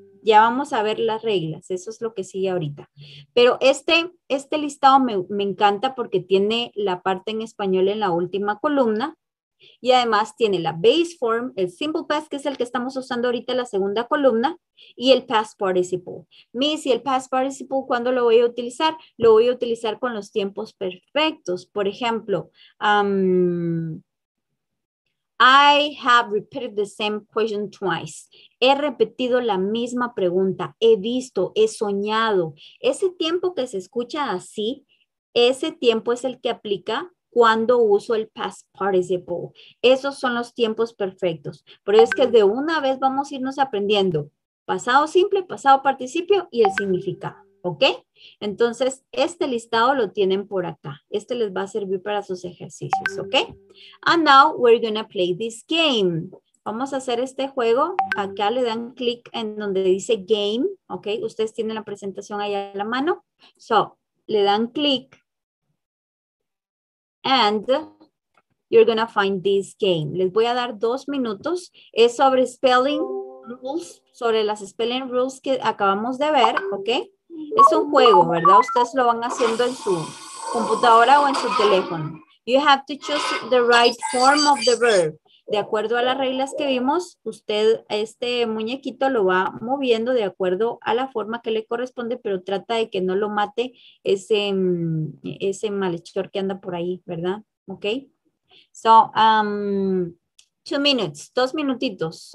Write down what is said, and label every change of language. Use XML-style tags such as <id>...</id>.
<es>Ya vamos a ver las reglas, eso es lo que sigue ahorita. Pero este listado me encanta porque tiene la parte en español en la última columna y además tiene la base form, el simple past, que es el que estamos usando ahorita en la segunda columna, y el past participle. Miss, ¿y el past participle cuándo lo voy a utilizar? Lo voy a utilizar con los tiempos perfectos. Por ejemplo,</es> <en>I have repeated the same question twice.</en> <es>He repetido la misma pregunta. He visto, he soñado. Ese tiempo que se escucha así, ese tiempo es el que aplica cuando uso el past participle. Esos son los tiempos perfectos. Por eso es que de una vez vamos a irnos aprendiendo pasado simple, pasado participio y el significado. ¿Ok? Entonces, este listado lo tienen por acá. Este les va a servir para sus ejercicios. ¿Ok?</es> <en>And now we're going to play this game.</en> <es>Vamos a hacer este juego. Acá le dan clic en donde dice game. ¿Ok? Ustedes tienen la presentación ahí a la mano. So, le dan clic.</es> <en>And you're going to find this game.</en> <es>Les voy a dar 2 minutos. Es sobre spelling rules, sobre las spelling rules que acabamos de ver. ¿Ok? Es un juego, ¿verdad? Ustedes lo van haciendo en su computadora o en su teléfono.</es> <en>You have to choose the right form of the verb.</en> <es>De acuerdo a las reglas que vimos, usted, este muñequito lo va moviendo de acuerdo a la forma que le corresponde, pero trata de que no lo mate ese malhechor que anda por ahí, ¿verdad?</es> <en>¿Ok? So, 2 minutes,</en> <es>2 minutitos.</es>